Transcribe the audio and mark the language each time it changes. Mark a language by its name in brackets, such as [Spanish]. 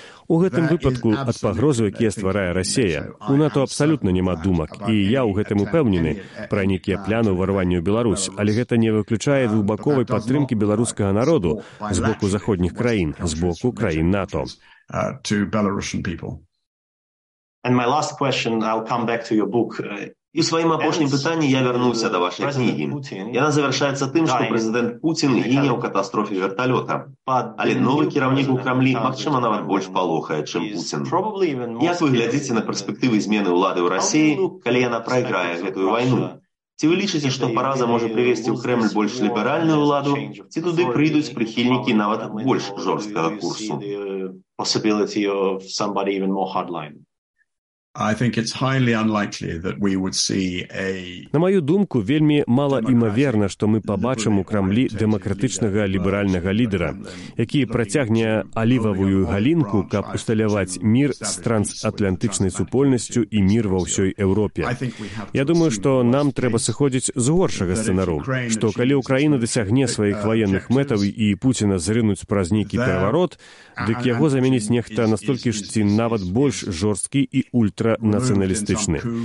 [Belarusian] У гэтым выпадку ад пагрозы, якія стварае Расія, у НАТО абсалютна няма думак, і я ў гэтым упэўнены пра нейкія планы ўварвання ў Беларусь, але гэта не выключае двухбаковай падтрымкі беларускага народу з боку заходніх краін, з боку краін НАТО. [English] And my last question, I'll come back to your book. [Belarusian] І сваім апошнім пытанні я вярнуся да вашай кнігі. Яна завяршаецца тым, што прэзідэнт Пуцін гіне ў катастрофе верталёта. Але новы кіраўнік у Крамлі, магчыма, нават больш палохае, чым Пуцін. Як вы глядзіце на перспектывы змены ўлады ў Расіі, калі яна прайграе гэтую вайну? Ці вы лічыце, што параза можа прывесці ў Крэмль больш ліберальную ўладу, ці туды прыйдуць прыхільнікі нават больш жорсткага курсу? [English] Possibility of somebody even more hardline. I think it's highly unlikely that we would see a... [Belarusian] На маю думку, вельмі мала імаверна, што мы пабачым у Крамлі дэмакратычнага ліберальнага лідэра, які працягне алівавую галінку, каб усталяваць мір з трансатлантычнай супольнасцю і мір ва ўсёй Еўропе. Я думаю, што нам трэба сыходзіць з горшага сцэнару, што калі Украіна дасягне сваіх ваенных мэтаў і Пуціна зрынуць праз нейкі пераварот, дык яго заменіць нехта настолькі ж ці нават больш жорсткі і ультранацыяналістычны.